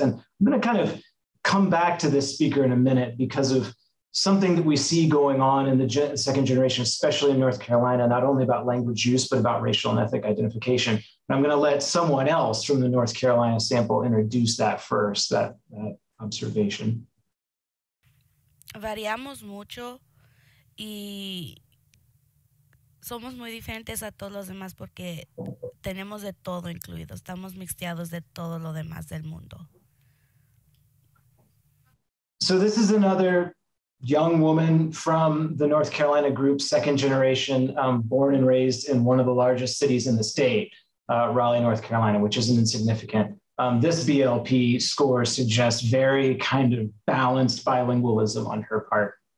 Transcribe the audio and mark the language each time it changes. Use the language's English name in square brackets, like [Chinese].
[English] And I'm going to kind of come back to this speaker in a minute because of something that we see going on in the second generation, especially in North Carolina, not only about language use, but about racial and ethnic identification. And I'm going to let someone else from the North Carolina sample introduce that first, that observation. [Spanish] Variamos mucho y somos muy diferentes a todos los demás porque tenemos de todo incluido. Estamos mixteados de todo lo demás del mundo. [English] So this is another young woman from the North Carolina group, second generation, born and raised in one of the largest cities in the state, Raleigh, North Carolina, which isn't insignificant. This BLP score suggests very kind of balanced bilingualism on her part.